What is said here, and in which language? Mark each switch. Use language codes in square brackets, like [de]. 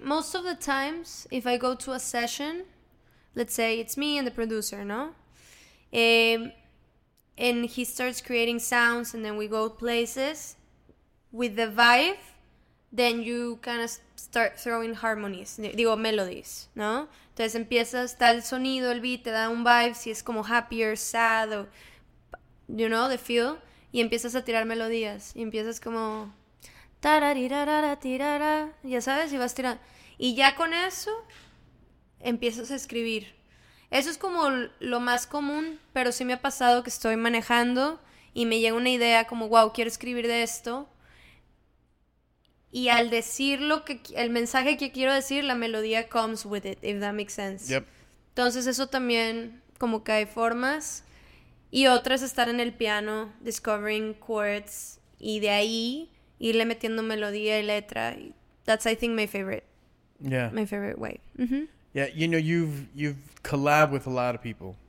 [en] Most of the times, if I go to a session, let's say it's me and the producer, no? And he starts creating sounds and then we go places with the vibe. Then you kind of start throwing harmonies, [es] digo, [en] melodies, ¿no? [es] Entonces empiezas, da el sonido, el beat, te da un vibe, si es como happier, sad, o, you know, the feel, y empiezas a tirar melodías, y empiezas como, tararirarara, tirara, ya sabes, y vas tirando. Y ya con eso, empiezas a escribir. Eso es como lo más común, pero sí me ha pasado que estoy manejando, y me llega una idea como, wow, quiero escribir de esto. Y al decir lo que el mensaje que quiero decir, la melodía [en] comes with it, if that makes sense. Yep. [es] Entonces eso también como que hay formas. Y otra es estar en el piano, [en] discovering chords, [es] y de ahí irle metiendo melodía y letra. [en] That's, I think, my favorite. Yeah. My favorite way. Mm-hmm. Yeah, you know, you've collabed with a lot of people.